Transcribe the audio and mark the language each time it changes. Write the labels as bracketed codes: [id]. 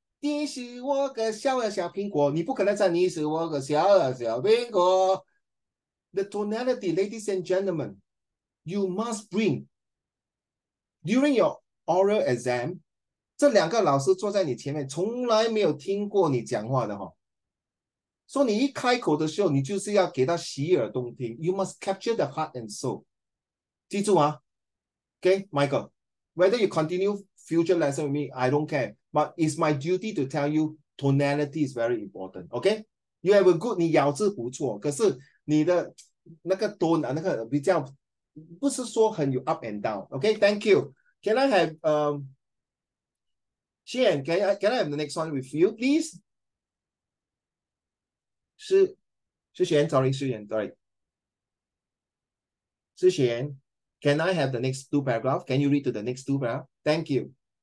[zh] 你是我个小小苹果,你不可能唱你是我个小小苹果。 [en] The tonality, ladies and gentlemen, you must bring. During your oral exam, [zh] 这两个老师坐在你前面,从来没有听过你讲话的。 So 你一开口的时候,你就是要给他洗耳恭听。 [en] You must capture the heart and soul. [zh] 记住啊, [en] okay, Michael, whether you continue future lesson with me, I don't care. But it's my duty to tell you, tonality is very important, okay? You have a good, [zh] 你咬字不错,可是你的那个 tone, 那个比较, 不是说很有 [en] up and down, okay? Thank you. Can I have, Xian, can I have the next one with you, please? [zh] 是贤, [en] sorry, [zh] 是贤, sorry. [en] 是贤, can I have the next two paragraphs? Can you read to the next two paragraphs? Thank you.